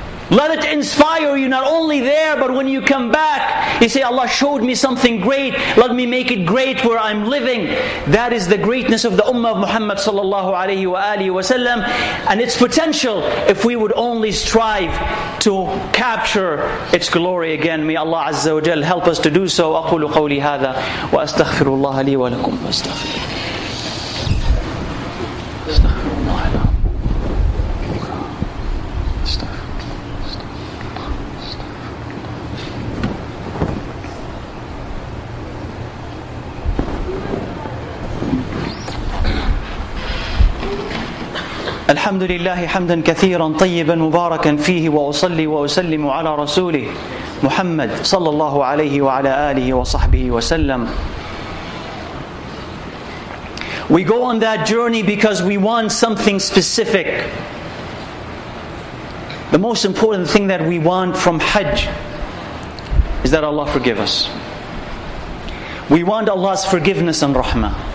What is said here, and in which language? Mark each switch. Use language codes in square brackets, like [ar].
[en] Let it inspire you, not only there, but when you come back, you say, Allah showed me something great. Let me make it great where I'm living. That is the greatness of the Ummah of Muhammad sallallahu alayhi wa alihi wa sallam, and its potential if we would only strive to capture its glory again. May Allah Azza wa Jal help us to do so. [ar] أَقُولُ قَوْلِي هَذَا وَأَسْتَغْفِرُ اللَّهَ لِي وَلَكُمْ الحمد لله حمدا كثيرا طيبا مباركا فيه وأصلي وأسلم على رسوله محمد صلى الله عليه وعلى آله وصحبه وسلم. [en] We go on that journey because we want something specific. The most important thing that we want from Hajj is that Allah forgive us. We want Allah's forgiveness and rahmah.